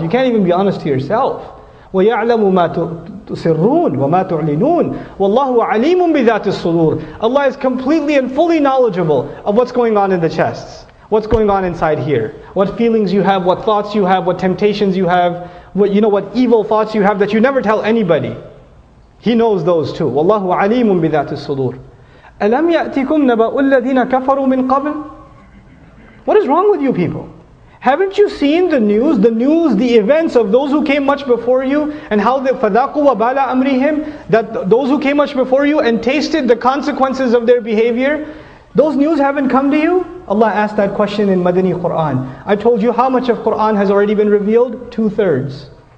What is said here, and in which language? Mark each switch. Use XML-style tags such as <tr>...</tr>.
<en>You can't even be honest to yourself.</en> <ar>وَيَعْلَمُ مَا تُسِرُّونَ وَمَا تُعْلِنُونَ وَاللَّهُ عَلِيمٌ بِذَاتِ الصُّدُورِ</ar> <en>Allah is completely and fully knowledgeable of what's going on in the chests. What's going on inside here? What feelings you have, what thoughts you have, what temptations you have, what evil thoughts you have that you never tell anybody. He knows those too.</en> <ar>وَاللَّهُ عَلِيمٌ بِذَاتِ الصُّدُورِ أَلَمْ يَأْتِكُمْ نَبَأُ الَّذِينَ كَفَرُوا مِنْ قَبْلِ</ar> <en>What is wrong with you people? Haven't you seen the news, the events of those who came much before you, and how the</en> <ar>فَذَاقُوا وَبَالَ أَمْرِهِمْ</ar> <en>That those who came much before you and tasted the consequences of their behavior, those news haven't come to you? Allah asked that question in Madani Qur'an. I told you how much of Qur'an has already been revealed? 2/3.</en>